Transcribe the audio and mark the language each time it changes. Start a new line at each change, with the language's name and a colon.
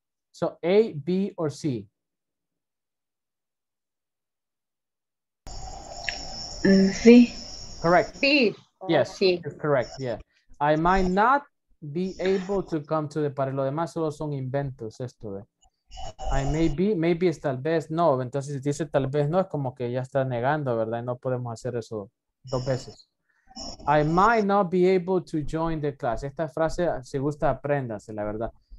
English: So A, B, or C? C. Correct. C. Yes, C. Correct, yeah. I might not be able to come to the party.
Spanish: Lo demás solo son inventos esto de.
English: I may be, maybe
Spanish: es tal vez, no. Entonces si dice tal vez no, es como que ya está negando, ¿verdad? Y no podemos hacer eso dos veces.
English: I might not be able to join the class.
Spanish: Esta frase, si gusta, apréndase, la verdad.